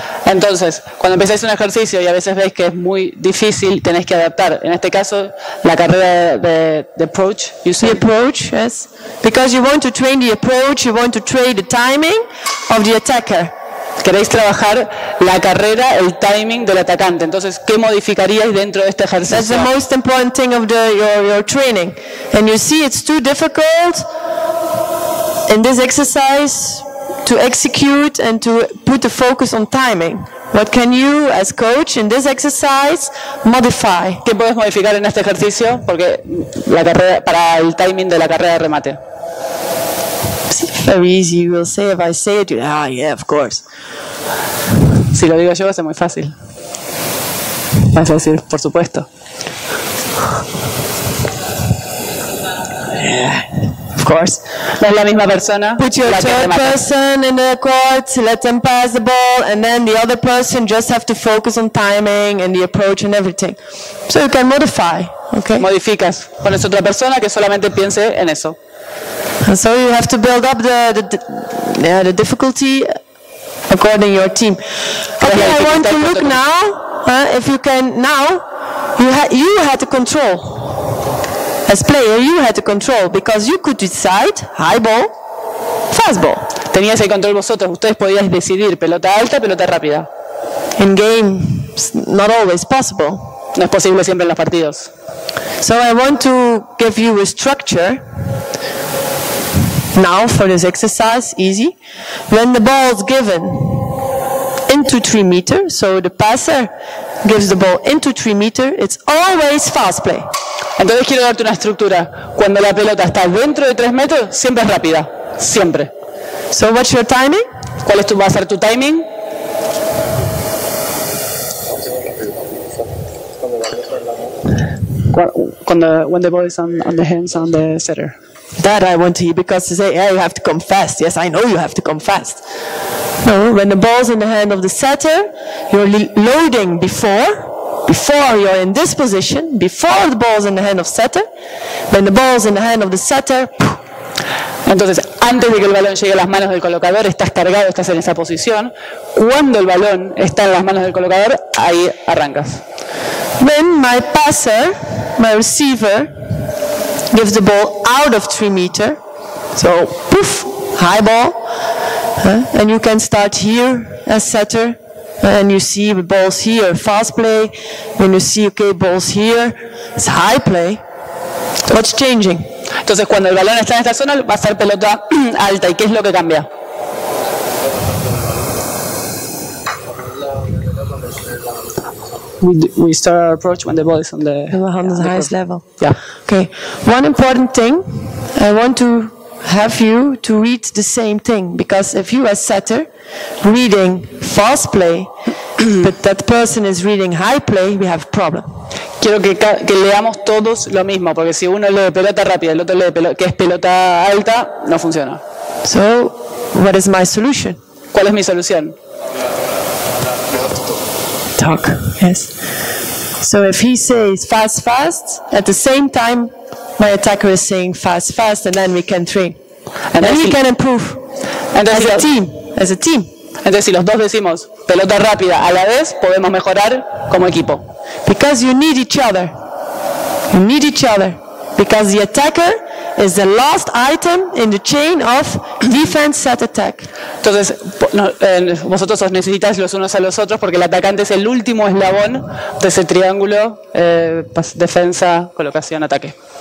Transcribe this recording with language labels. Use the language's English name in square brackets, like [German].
[Spanish] Entonces, cuando empezás un ejercicio y a veces ves que es muy difícil, tenés que adaptar. En este caso, la carrera de approach. [English] You say. The approach, yes. Because you want to train the approach, you want to train the timing of the attacker. [Spanish] Queréis trabajar la carrera, el timing del atacante. Entonces, ¿qué modificaríais dentro de este ejercicio? [English] That's the most important thing of your training. And you see, it's too difficult in this exercise to execute and to put the focus on timing. What can you, as coach, in this exercise, modify? [Spanish] ¿Qué puedes modificar en este ejercicio porque la carrera, para el timing de la carrera de remate? [English] Very easy, you will say, if I say it, you're, ah, yeah, of course. [Spanish] Si lo digo yo, va a ser muy fácil. Vas a decir, por supuesto. [English] Yeah, of course. [Spanish] No es la misma persona. [English] Put your third person in the court, let them pass the ball, and then the other person just have to focus on timing and the approach and everything. So you can modify, okay? [Spanish] Modificas. Pones otra persona que solamente piense en eso. [English] And so you have to build up the difficulty according to your team. Okay, I want to look now, if you can, now, you had the control. As player, you had the control, because you could decide, high ball, fast ball. [Spanish] Tenías el control vosotros, ustedes podíais decidir, pelota alta, pelota rápida. [English] In games, not always possible. [Spanish] No es posible siempre en los partidos. [English] So I want to give you a structure. Now, for this exercise, easy. When the ball is given into 3 meters, so the passer gives the ball into 3 meters, it's always fast play. [Spanish] Entonces quiero darte una estructura. Cuando la pelota está dentro de 3 meters, siempre es rápida. Siempre. [English] So what's your timing? [Spanish] ¿Cuál es tu, va a ser tu timing? [English] When the ball is on the hands on the setter. That I want to hear, because to say, yeah, you have to come fast. Yes, I know you have to come fast. No, when the ball's in the hand of the setter, you're loading before you're in this position, before the ball's in the hand of setter, when the ball's in the hand of the setter, [Spanish] entonces, antes de que el balón llegue a las manos del colocador, estás cargado, estás en esa posición. Cuando el balón está en las manos del colocador, ahí arrancas. [English] When my passer, my receiver, gives the ball out of 3 meters, so poof, high ball, and you can start here as setter, and you see the ball's here, fast play. When you see, okay, ball's here, it's high play. What's changing? [Spanish] Entonces, cuando el balón está en esta zona, va a ser pelota alta. ¿Y qué es lo que cambia? [English] We start our approach when the ball is on the, highest level. Yeah. Okay. One important thing, I want to have you to read the same thing, because if you as setter reading fast play, but that person is reading high play, we have a problem. [Spanish] Quiero que leamos todos lo mismo, porque si uno lee pelota rápida, el otro lee que es pelota alta, no funciona. [English] So, what is my solution? [Spanish] ¿Cuál es mi solución? [English] Talk, yes. So if he says fast, fast, at the same time, my attacker is saying fast, fast, and then we can train. And then we can improve. [Spanish] Entonces, [English] as a team. [Spanish] Entonces, si los dos decimos pelota rápida a la vez, podemos mejorar como equipo. [English] Because you need each other. You need each other. Because the attacker is the last item in the chain of defense set attack. [Spanish] Entonces, vosotros os necesitáis los unos a los otros porque el atacante es el último eslabón de ese triángulo defensa, colocación, ataque.